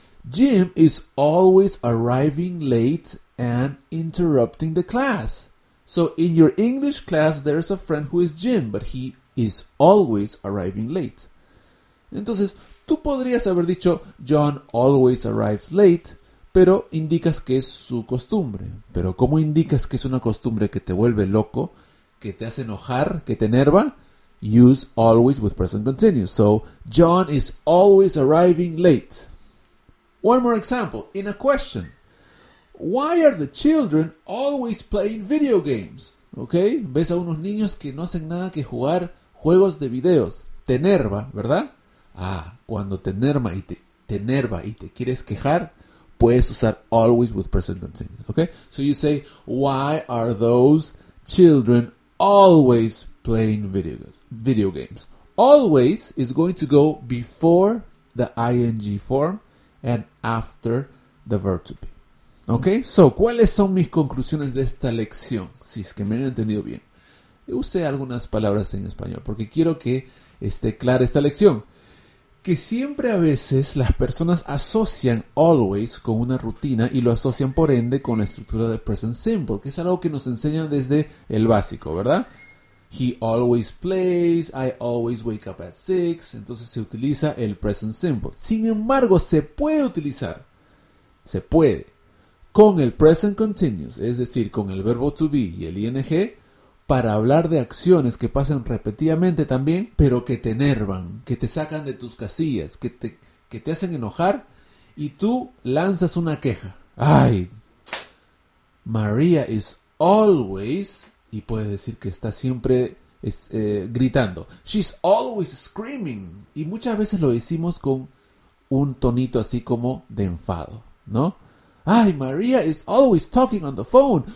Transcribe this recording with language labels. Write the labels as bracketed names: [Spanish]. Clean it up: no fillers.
[English] Jim is always arriving late and interrupting the class. So in your English class, there's a friend who is Jim, but he is always arriving late. [Spanish] Entonces, tú podrías haber dicho, [English] John always arrives late, [Spanish] pero indicas que es su costumbre. Pero ¿cómo indicas que es una costumbre que te vuelve loco, que te hace enojar, que te enerva? [English] Use always with present continuous. So, John is always arriving late. One more example. In a question. Why are the children always playing video games? Okay? [Spanish] Ves a unos niños que no hacen nada que jugar juegos de videos. Te enerva, ¿verdad? Ah, cuando te enerva y te quieres quejar, puedes usar always [English] with present continuous. [Spanish] Okay? [English] So you say, why are those children always playing video games? Always is going to go before the ing form and after the verb to be. Okay? [Spanish] So, ¿cuáles son mis conclusiones de esta lección? Si es que me han entendido bien. Usé algunas palabras en español porque quiero que esté clara esta lección. Que siempre a veces las personas asocian always con una rutina y lo asocian por ende con la estructura de present simple, que es algo que nos enseñan desde el básico, ¿verdad? [English] He always plays, I always wake up at 6, [Spanish] entonces se utiliza el present simple. Sin embargo, se puede utilizar, con el present continuous, es decir, con el verbo to be y el ing, para hablar de acciones que pasan repetidamente también, pero que te enervan, que te sacan de tus casillas, que te hacen enojar, y tú lanzas una queja. ¡Ay! [English] María is always, [Spanish] y puedes decir que está siempre gritando. [English] She's always screaming. [Spanish] Y muchas veces lo decimos con un tonito así como de enfado, ¿no? [English] Ay, María is always talking on the phone.